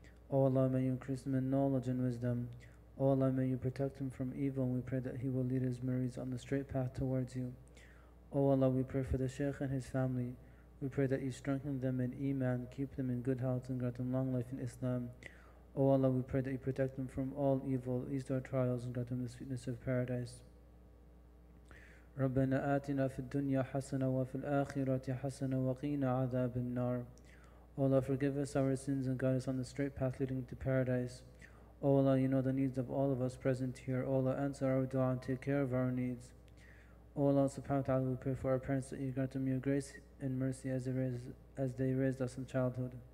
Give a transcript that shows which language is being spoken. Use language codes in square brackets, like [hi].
[en] O Allah, may you increase him in knowledge and wisdom. O Allah, may you protect him from evil, and we pray that he will lead his murids on the straight path towards you. O Allah, we pray for the Shaykh and his family. We pray that you strengthen them in Iman, keep them in good health, and grant them long life in Islam. O Allah, we pray that you protect them from all evil, ease their trials, and grant them the sweetness of paradise. [ar] ربنا آتنا في الدنيا حسنة وفي الآخرة حسنة وقينا عذاب النار. [en] O Allah, forgive us our sins and guide us on the straight path leading to paradise. O Allah, you know the needs of all of us present here. O Allah, answer our dua and take care of our needs. O Allah subhanahu wa ta'ala, we pray for our parents that you grant them your grace and mercy as they raised us in childhood.